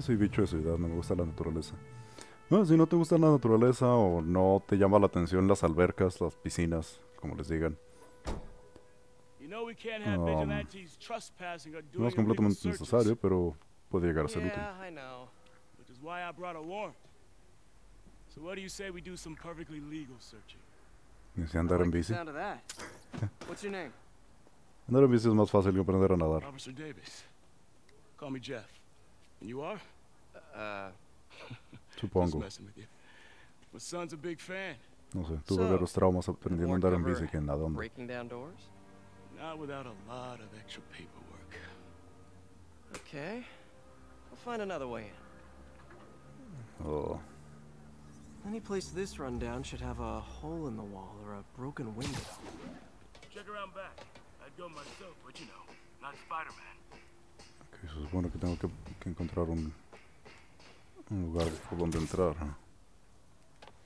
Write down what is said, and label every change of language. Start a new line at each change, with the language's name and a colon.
Spanish: Soy bicho de ciudad, no me gusta la naturaleza. Bueno, si no te gusta la naturaleza o no te llama la atención las albercas, las piscinas, como les digan. No es completamente necesario, pero puede llegar a ser útil.
English: Which is why I brought a warrant. So what do you say we do some perfectly legal searching?
Spanish: ¿Necesitas andar en bici?
English: What's your name?
Spanish: Andar en bici es más fácil que aprender a nadar.
English: Officer Davis. Call me Jeff. And you are?
Spanish: Supongo.
English: My son's a big fan.
Spanish: No sé, tuve varios traumas aprendiendo a andar en bici que en nadando.
English: Breaking down doors? Not without a lot of extra paperwork. Okay. We'll find another way in. Oh. Any place this rundown should have a hole in the wall or a broken window. Check around back. I'd go myself, but you know, not Spider-Man.
Spanish: Okay, se supone que tengo que encontrar un lugar por donde entrar, ¿eh?